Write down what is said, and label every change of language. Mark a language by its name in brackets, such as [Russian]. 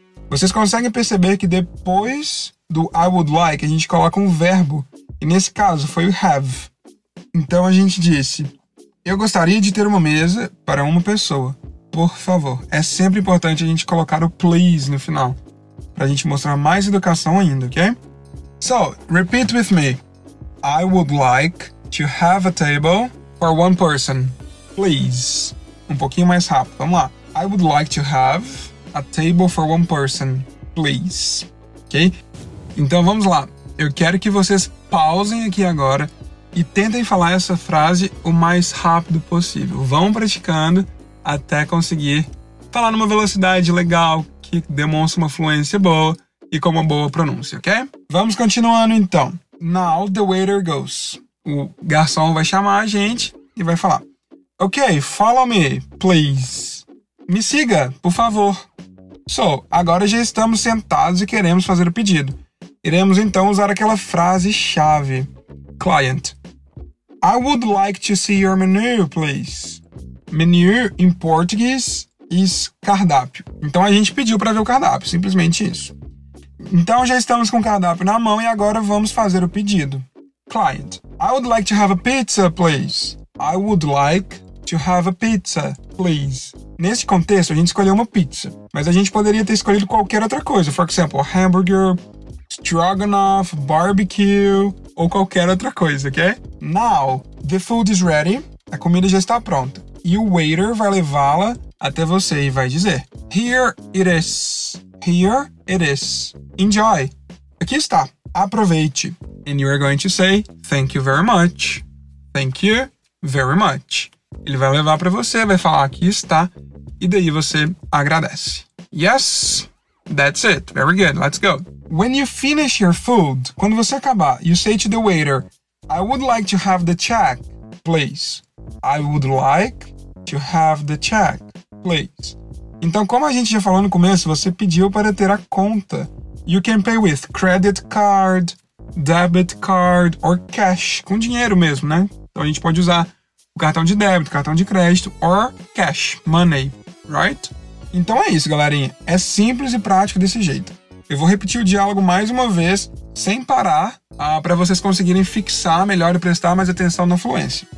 [Portuguese] Vocês conseguem perceber que depois do [English] I would like, [Portuguese] a gente coloca um verbo. E nesse caso, foi o have. Então, a gente disse, eu gostaria de ter uma mesa para uma pessoa, por favor. É sempre importante a gente colocar o please no final, para a gente mostrar mais educação ainda, ok? [English] So, repeat with me. I would like to have a table for one person. please. [Portuguese] Um pouquinho mais rápido, vamos lá. [English] I would like to have a table for one person, please. Ok? [Portuguese] Então vamos lá. Eu quero que vocês pausem aqui agora e tentem falar essa frase o mais rápido possível. Vão praticando até conseguir falar numa velocidade legal, que demonstra uma fluência boa e com uma boa pronúncia, ok? Vamos continuando então. [English] Now the waiter goes. [Portuguese] O garçom vai chamar a gente e vai falar. [English] Ok, follow me, please. [Portuguese] Me siga, por favor. So, agora já estamos sentados e queremos fazer o pedido. Iremos então usar aquela frase-chave. Client. [English] I would like to see your menu, please. [Portuguese] Menu, em português, is cardápio. Então a gente pediu para ver o cardápio, simplesmente isso. Então já estamos com o cardápio na mão e agora vamos fazer o pedido. [English] Client. I would like to have a pizza, please. I would like to have a pizza, please. [Portuguese] Nesse contexto, a gente escolheu uma pizza. Mas a gente poderia ter escolhido qualquer outra coisa. [English] For example, hamburger, stroganoff, barbecue, [Portuguese] ou qualquer outra coisa, [English] ok? Now, the food is ready. [Portuguese] A comida já está pronta. E o waiter vai levá-la até você e vai dizer. [English] Here it is. Here it is. Enjoy. [Portuguese] Aqui está. Aproveite. [English] And you are going to say, thank you very much. Thank you very much. [Portuguese] Ele vai levar para você, vai falar, aqui está. E daí você agradece. [English] Yes, that's it. Very good, let's go. When you finish your food, [Portuguese] quando você acabar, [English] you say to the waiter, I would like to have the check, please. I would like to have the check, please. [Portuguese] Então, como a gente já falou no começo, você pediu para ter a conta. [English] You can pay with credit card, debit card, or cash. [Portuguese] Com dinheiro mesmo, né? Então, a gente pode usar cartão de débito, cartão de crédito, [English] or cash, money, right? [Portuguese] Então é isso, galerinha. É simples e prático desse jeito. Eu vou repetir o diálogo mais uma vez, sem parar, para vocês conseguirem fixar melhor e prestar mais atenção na fluência.